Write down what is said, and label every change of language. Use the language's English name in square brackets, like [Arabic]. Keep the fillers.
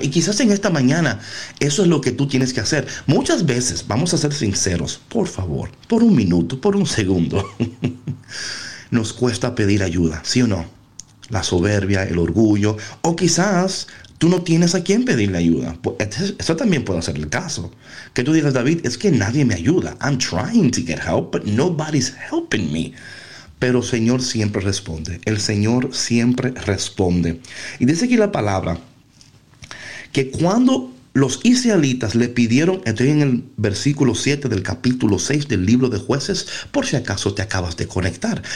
[Spanish] Y quizás en esta mañana, eso es lo que tú tienes que hacer. Muchas veces, vamos a ser sinceros, por favor, por un minuto, por un segundo, nos cuesta pedir ayuda, ¿sí o no? La soberbia, el orgullo, o quizás tú no tienes a quién pedirle ayuda. Eso también puede ser el caso. Que tú digas, David, es que nadie me ayuda. [English] I'm trying to get help, but nobody's helping me. [Spanish] Pero el Señor siempre responde. El Señor siempre responde. Y dice aquí la palabra que cuando los israelitas le pidieron, estoy en el versículo 7 del capítulo 6 del libro de jueces, por si acaso te acabas de conectar.